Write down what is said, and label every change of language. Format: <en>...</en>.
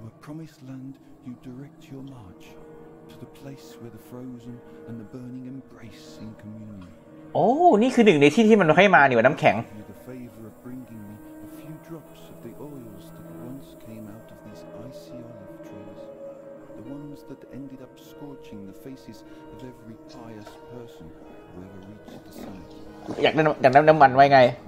<en>Promised land, you direct your march to the place where the frozen and the burning embrace in communion.</en> <th>Oh, นี่คือหนึ่งในที่ที่มันให้มาเนี่ยน้ำแข็ง</th> <en>The favor of bringing me a few drops of the oils that once came out of these icy olive trees, the ones that ended up scorching the faces of every pious person who ever reached the summit.</en> <th>อยากได้น้ำมันไว้ไง</th>